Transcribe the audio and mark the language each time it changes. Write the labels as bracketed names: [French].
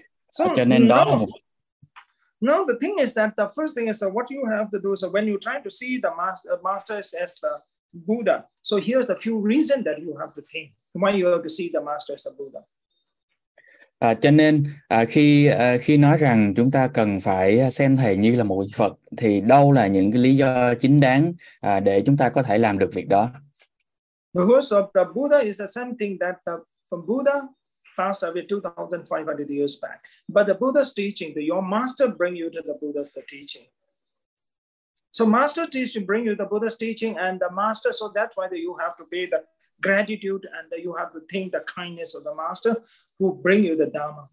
[Vietnamese] So, cho nên đó là một... [English] No, the thing is that the first thing is that what you have to do is that when you try to see the master as the Buddha. So here's the few reasons that you have to think why you have to see the master as the Buddha. [Vietnamese] Cho nên khi nói rằng chúng ta cần phải xem thầy như là một Phật thì đâu là những cái lý do chính đáng để chúng ta có thể làm được việc đó? [English] Because of the Buddha is the same thing that from Buddha passed away 2,500 years back. But the Buddha's teaching, your master bring you to the Buddha's teaching. So master teach to bring you the Buddha's teaching and the master, so that's why you have to pay the gratitude and you have to think the kindness of the master who bring you the Dharma.